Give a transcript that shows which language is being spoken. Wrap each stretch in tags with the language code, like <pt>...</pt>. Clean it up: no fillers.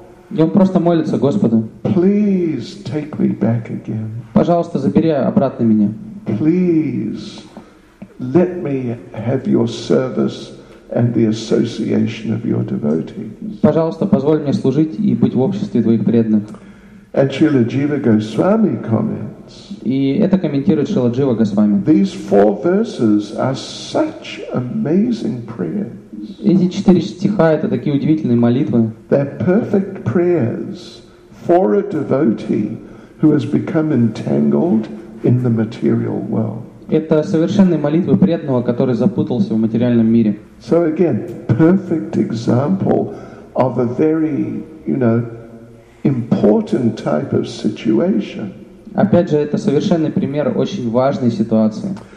<ru>И он просто молится Господу.</ru> <en>Please take me back again.</en> <ru>Пожалуйста, забери обратно меня.</ru> <en>Please let me have your service and the association of your devotees.</en> <ru>Пожалуйста, позволь мне служить и быть в обществе твоих преданных.</ru> <en>And Srila Jiva Goswami comments.</en> <ru>И это комментирует Шрила Джива Госвами.</ru> <en>These four verses are such amazing prayers.</en> <ru>Эти четыре стиха — это такие удивительные молитвы.</ru> <en>They're perfect prayers for a devotee who has become entangled in the material world.</en> <ru>Это совершенные молитвы преданного, который запутался в материальном мире.</ru> <en>So again, perfect example of a very, you know, important type of situation.</en> <ru>Опять же, это совершенный пример очень важной ситуации.</ru>